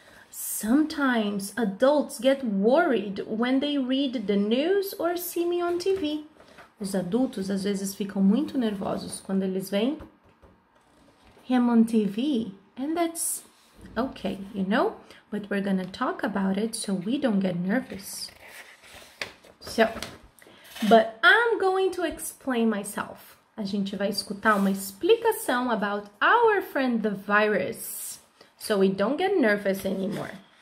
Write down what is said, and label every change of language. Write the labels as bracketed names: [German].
[English] Sometimes adults get worried when they read the news or see me on TV. [Portuguese] Os adultos às vezes ficam muito nervosos quando eles veem [English] him on TV. And that's okay, you know? But we're gonna talk about it so we don't get nervous. So, but I'm going to explain myself. [Portuguese] A gente vai escutar uma explicação [English] about our friend the virus. So we don't get nervous anymore.